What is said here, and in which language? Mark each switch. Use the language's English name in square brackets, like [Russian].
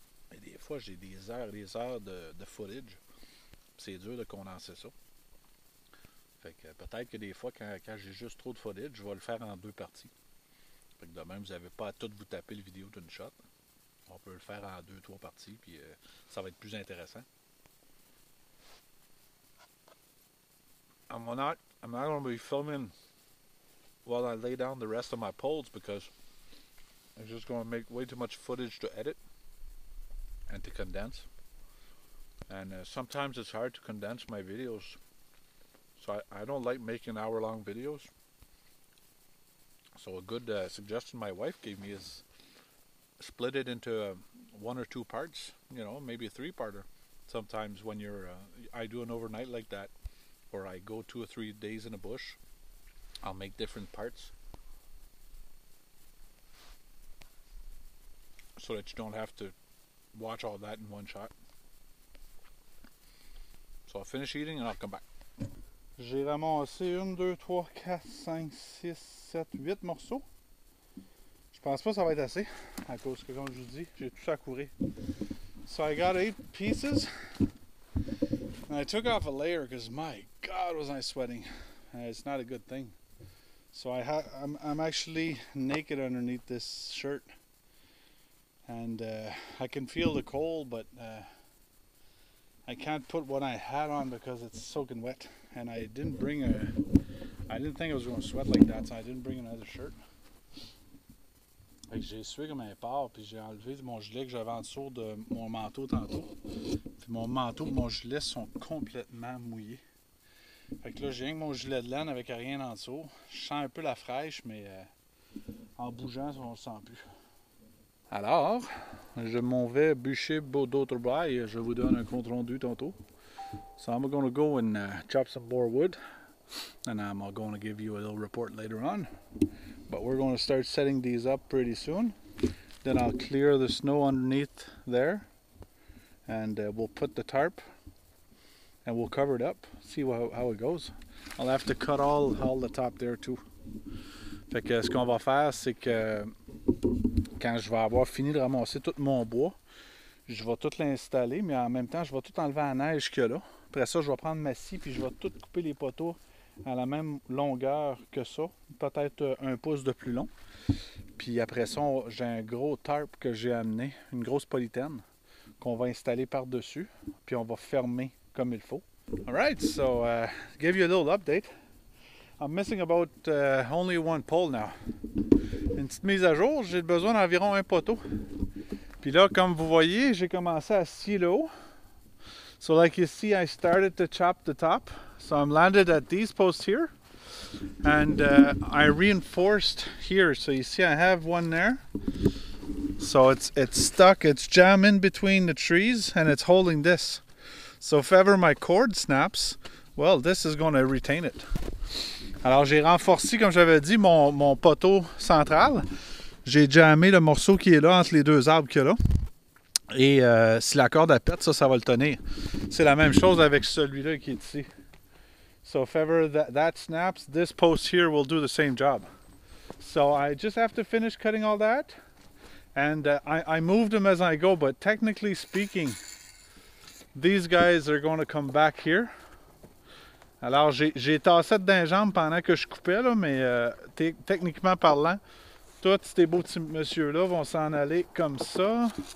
[French] Mais des fois, j'ai des heures de footage. C'est dur de condenser ça. Fait que peut-être que des fois, quand j'ai juste trop de footage, je vais le faire en deux parties. Fait que de même, vous n'avez pas à tout vous taper le vidéo d'une shot. On peut le faire en deux, trois parties, puis ça va être plus intéressant. [English] I'm not going to be filming while I lay down the rest of my poles, because I'm just going to make way too much footage to edit and to condense, and sometimes it's hard to condense my videos, so I don't like making hour-long videos. So a good suggestion my wife gave me is split it into one or two parts, you know, maybe a three-parter. Sometimes when you're I do an overnight like that, or I go 2 or 3 days in a bush, I'll make different parts so that you don't have to watch all that in one shot. So I'll finish eating and I'll come back. [French] J'ai ramassé 1, 2, 3, 4, 5, 6, 7, 8 morceaux. Je pense pas que ça va être assez. À cause que, comme je vous dis, j'ai tout ça couru. [English] So I got 8 pieces. And I took off a layer because my God was I sweating. It's not a good thing. So I'm actually naked underneath this shirt. And I can feel the cold, but I can't put what I had on because it's soaking wet. And I didn't bring I didn't think I was going to sweat like that, so I didn't bring another shirt. [French] Fait que j'ai sué comme un porc, puis j'ai enlevé mon gilet que j'avais en dessous de mon manteau tantôt. Puis mon manteau et mon gilet sont complètement mouillés. Fait que là, j'ai rien que mon gilet de laine avec rien en dessous. Je sens un peu la fraîche, mais en bougeant, on le sent plus. Alors, je m'en vais bûcher d'autres bois et je vous donne un compte rendu tantôt. [English] So I'm going to go and chop some more wood, and I'm going to give you a little report later on. But we're going to start setting these up pretty soon. Then I'll clear the snow underneath there, and we'll put the tarp, and we'll cover it up, see how it goes. I'll have to cut all the top there too. [French] Fait que ce qu'on va faire, c'est que quand je vais avoir fini de ramasser tout mon bois, je vais tout l'installer, mais en même temps, je vais tout enlever la neige qu'il y a là. Après ça, je vais prendre ma scie puis je vais tout couper les poteaux à la même longueur que ça, peut-être un pouce de plus long. Puis après ça, j'ai un gros tarp que j'ai amené, une grosse polytène qu'on va installer par-dessus, puis on va fermer comme il faut. [English] Alright, so give you a little update. I'm missing about only one pole now. [French] Une petite mise à jour, j'ai besoin d'environ un poteau. Puis là, comme vous voyez, j'ai commencé à scier le haut. [English] So like you see, I started to chop the top. So I'm landed at these posts here. And I reinforced here. So you see, I have one there. So it's stuck, it's jammed in between the trees and it's holding this. So if ever my cord snaps, well, this is going to retain it. [French] Alors j'ai renforcé, comme j'avais dit, mon poteau central. J'ai jammé le morceau qui est là entre les deux arbres qu'il y a là. Et si la corde elle pète, ça va le tenir. C'est la même chose avec celui-là qui est ici. [English] So if ever that snaps, this post here will do the same job. So I just have to finish cutting all that. And I moved them as I go, but technically speaking, these guys are going to come back here. [French] Alors, j'ai tassé dans les jambes pendant que je coupais, là, mais techniquement parlant, tous ces beaux petits messieurs-là vont s'en aller comme ça.